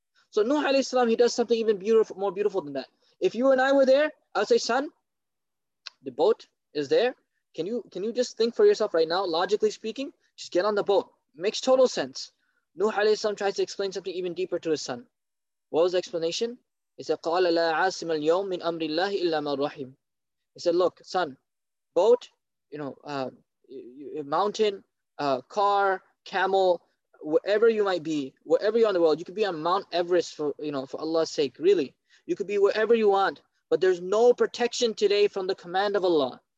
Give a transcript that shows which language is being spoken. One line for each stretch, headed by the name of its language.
English: So Nuh Alayhi Salaam, he does something even beautiful, more beautiful than that. If you and I were there, I'd say, son, the boat is there. Can you just think for yourself right now, logically speaking? Just get on the boat. Makes total sense. Nuh alayhi salam tries to explain something even deeper to his son. What was the explanation? He said,
Arabic: قَالَ لَا عَاصِمَ الْيَوْمِ مِنْ أَمْرِ اللَّهِ إِلَّا مَا رَحِيمٌ.
English: He said, look, son, boat, you know, mountain, car, camel, wherever you might be, wherever you are in the world, you could be on Mount Everest for Allah's sake, really. You could be wherever you want, but there's no protection today from the command of Allah.